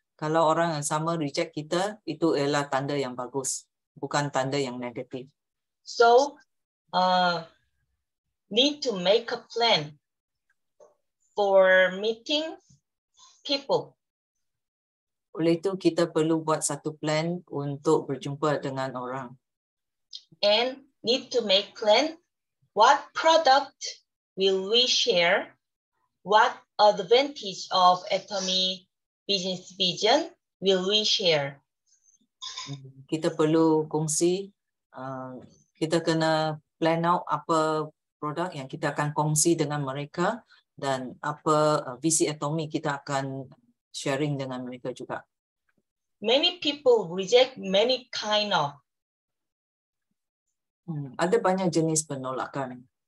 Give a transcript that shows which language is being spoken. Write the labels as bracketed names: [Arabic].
[Malay] Kalau orang yang sama reject kita, itu ialah tanda yang bagus, bukan tanda yang negatif. [English] So, need to make a plan for meeting people. [Malay] Oleh itu, kita perlu buat satu plan untuk berjumpa dengan orang. [English] And need to make plan what product will we share, what advantage of Atomy Business Vision will we share. [Malay] Kita perlu kongsi, kita kena [English] plan out [Malay] apa produk yang kita akan kongsi dengan mereka dan apa visi Atomy kita akan sharing dengan mereka juga. [English] Many people reject many kind of. [Malay] Ada banyak jenis penolakan.